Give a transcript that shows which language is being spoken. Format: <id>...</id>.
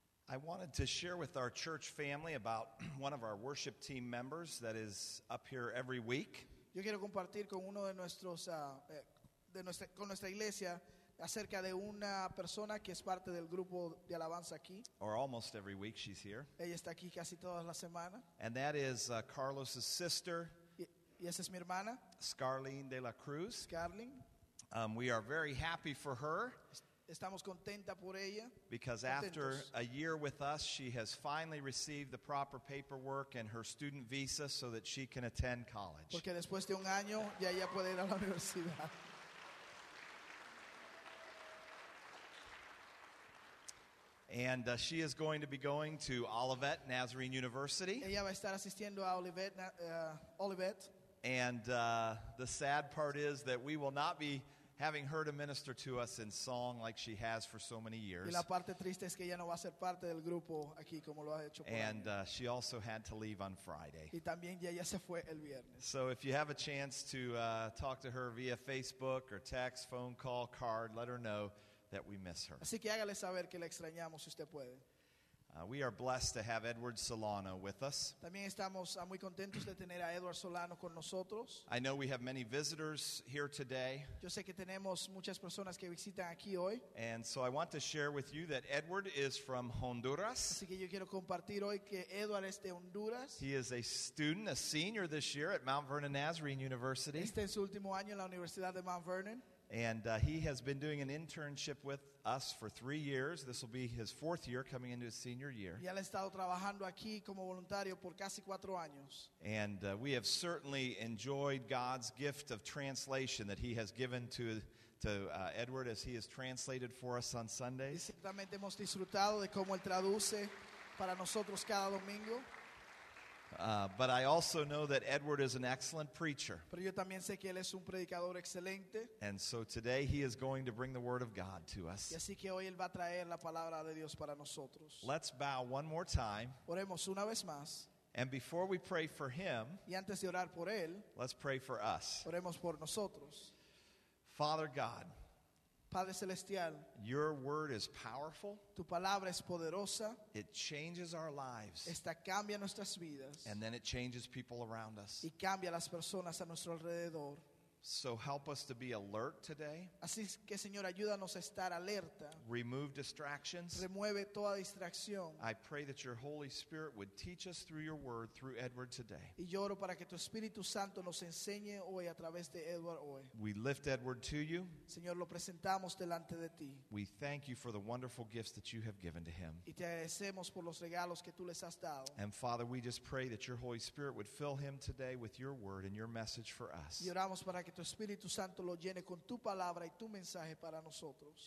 <en>I wanted to share with our church family about one of our worship team members that is up here every week.</en> <es>Yo quiero compartir con uno de nuestros con nuestra iglesia acerca de una persona que es parte del grupo de alabanza aquí.</es> <en>Or almost every week she's here.</en> <es>Ella está aquí casi todas las semanas.</es> <en>And that is Carlos's sister.</en> <es>Y esa es mi hermana. Scarlene de la Cruz. Scarlene.</es> <en>We are very happy for her.</en> <es>Estamos contenta por ella.</es> <en>Because after a year with us, she has finally received the proper paperwork and her student visa so that she can attend college.</en> <es>Porque después de un año ya ella puede ir a la universidad.</es> <en>And she is going to be going to Olivet Nazarene University.</en> <es>Ella va a estar asistiendo a Olivet.</es> <en>And the sad part is that we will not be having heard her minister to us in song like she has for so many years.</en> <es>Y la parte triste es que ella no va a ser parte del grupo aquí como lo ha hecho por años.</es> <en>And she also had to leave on Friday.</en> <es>Y también ella se fue el viernes.</es> <en>So if you have a chance to talk to her via Facebook or text, phone call, card, let her know that we miss her.</en> <es>Así que hágale saber que la extrañamos si usted puede.</es> <en>We are blessed to have Edward Solano with us.</en> <es>También estamos muy contentos de tener a Edward Solano con nosotros.</es> <en>I know we have many visitors here today.</en> <es>Yo sé que tenemos muchas personas que visitan aquí hoy.</es> <en>And so I want to share with you that Edward is from Honduras.</en> <es>Así que yo quiero compartir hoy que Edward es de Honduras.</es> <en>He is a student, a senior this year at Mount Vernon Nazarene University.</en> <es>Este es su último año en la Universidad de Mount Vernon.</es> <en>And he has been doing an internship with us for 3 years. This will be his fourth year coming into his senior year.</en> <es>Y él ha estado trabajando aquí como voluntario por casi 4 años.</es> <en>And we have certainly enjoyed God's gift of translation that he has given to Edward as he has translated for us on Sundays.</en> <es>Y ciertamente hemos disfrutado de cómo él traduce para nosotros cada domingo.</es> <en>But I also know that Edward is an excellent preacher.</en> <es>Pero yo también sé que él es un predicador excelente.</es> <en>And so today he is going to bring the word of God to us.</en> <es>Y así que hoy él va a traer la palabra de Dios para nosotros.</es> <en>Let's bow one more time.</en> <es>Oremos una vez más.</es> <en>And before we pray for him,</en> <es>y antes de orar por él,</es> <en>let's pray for us.</en> <es>Oremos por nosotros.</es> <en>Father God,</en> <es>Padre Celestial,</es> <en>your word is powerful.</en> <es>Tu palabra es poderosa.</es> <en>It changes our lives.</en> <es>Esta cambia nuestras vidas.</es> <en>And then it changes people around us.</en> <es>Y cambia las personas a nuestro alrededor.</es> <en>So help us to be alert today.</en> <es>Así que, Señor, ayúdanos a estar alerta.</es> <en>Remove distractions.</en> <es>Remueve toda distracción.</es> <en>I pray that your Holy Spirit would teach us through your word through Edward today.</en> <es>Y lloro para que tu Espíritu Santo nos enseñe hoy a través de Edward hoy.</es> <en>We lift Edward to you.</en> <es>Señor, lo presentamos delante de ti.</es> <en>We thank you for the wonderful gifts that you have given to him.</en> <es>Y te agradecemos por los regalos que tú les has dado.</es> <en>And Father, we just pray that your Holy Spirit would fill him today with your word and your message for us.</en> <es>Y oramos para que tu Espíritu Santo lo llene con tu palabra y tu mensaje para nosotros.</es>